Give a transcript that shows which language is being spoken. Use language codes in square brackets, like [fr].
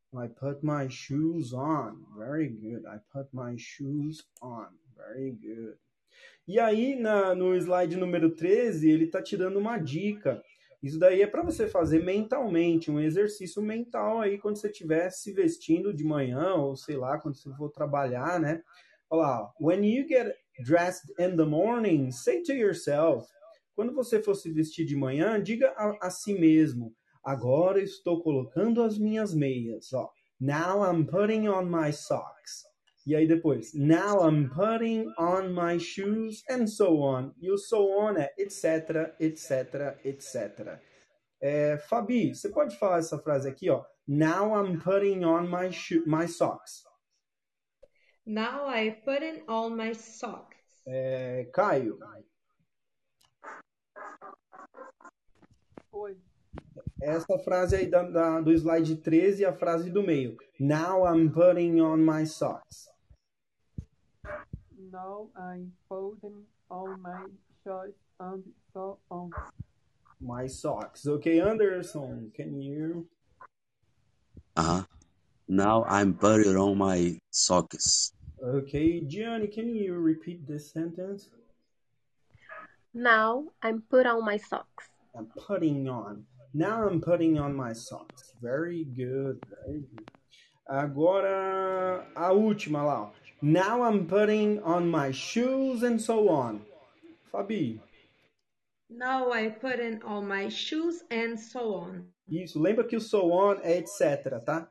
[en] I put my shoes on. Very good. I put my shoes on. Very good. [pt] E aí, no slide número 13, ele está te dando uma dica. Isso daí é para você fazer mentalmente, um exercício mental aí quando você estiver se vestindo de manhã ou sei lá, quando você for trabalhar, né? Olha lá. [en] When you get dressed in the morning, say to yourself. [pt] Quando você for se vestir de manhã, diga a si mesmo. Agora estou colocando as minhas meias, ó. [en] Now I'm putting on my socks. [pt] E aí depois, [en] now I'm putting on my shoes and so on. [pt] E o [en] so on [pt] é etc, etc, etc. Fabi, você pode falar essa frase aqui, ó. [en] Now I'm putting on my socks. Now I put in all my socks. [pt] Caio. Oi. Essa frase aí do slide 13 e a frase do meio. [en] Now I'm putting on my socks. Now I'm folding all my shirts and so on. My socks. Okay, Anderson, can you? Now I'm putting on my socks. Okay, Gianni, can you repeat this sentence? Now I'm put on my socks. I'm putting on. Now I'm putting on my socks. Very good, very good. [pt] Agora a última lá. [en] Now I'm putting on my shoes and so on. Fabi. Now I put in all my shoes and so on. [pt] Isso. Lembra que o [en] so on [pt] é etc, tá?